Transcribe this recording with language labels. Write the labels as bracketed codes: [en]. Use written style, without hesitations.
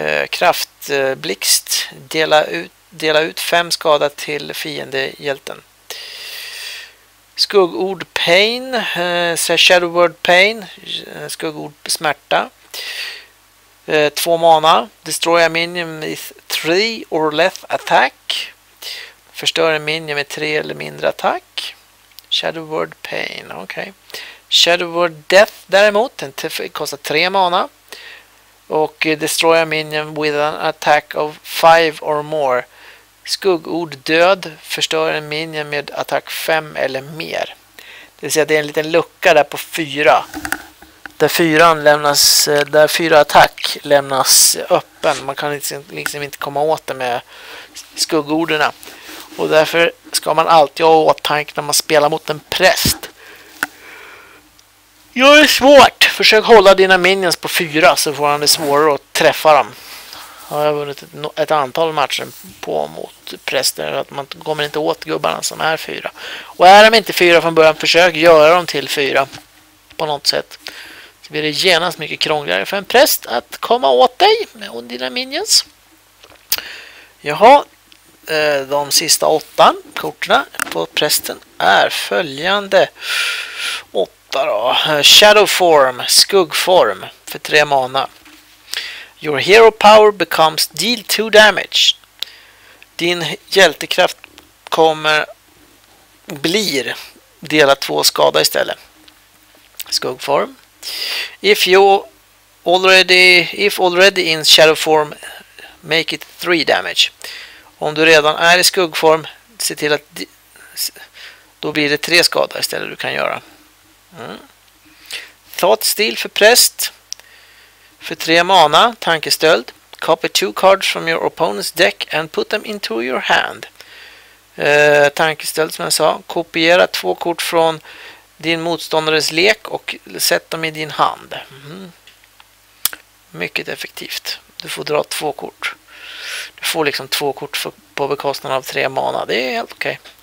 [sv] Kraftblixt. Dela ut 5 skada till fiende hjälten. Skuggord Pain. Shadow Word Pain. Skuggord Smärta. 2 mana. [en] Destroy a minion with 3 or less attack. [sv] Förstör en minion med 3 eller mindre attack. Shadow Word Pain. Okej. Shadow Word Death däremot, den kostar 3 mana. Och [en] destroy a minion with an attack of 5 or more. [sv] Skuggord Död förstör en minion med attack 5 eller mer. Det vill säga att det är en liten lucka där på 4. där fyra attack lämnas öppen. Man kan liksom inte komma åt det med skuggorden. Och därför ska man alltid ha åtanke när man spelar mot en präst. Gör det svårt! Försök hålla dina minions på fyra så får han det svårare att träffa dem. Har jag vunnit ett antal matcher på mot präster att man kommer inte åt gubbarna som är fyra. Och är de inte fyra från början, försök göra dem till fyra på något sätt. Så blir det genast mycket krångligare för en präst att komma åt dig med dina minions. Jaha, de sista åtta korten på prästen är följande. Åtta då. Shadow form, skuggform för tre mana. [en] Your hero power becomes deal 2 damage. [sv] Din hjältekraft blir dela 2 skada istället. Skuggform. [en] If already in shadow form, make it 3 damage. [sv] Om du redan är i skuggform, se till att då blir det 3 skada istället du kan göra. Thought steal för präst. För 3 mana, tankestöld. [en] Copy 2 cards from your opponent's deck and put them into your hand. [sv] Tankestöld som jag sa. Kopiera 2 kort från din motståndares lek och sätt dem i din hand. Mycket effektivt. Du får dra 2 kort. Du får liksom 2 kort på bekostnad av 3 mana. Det är helt okej.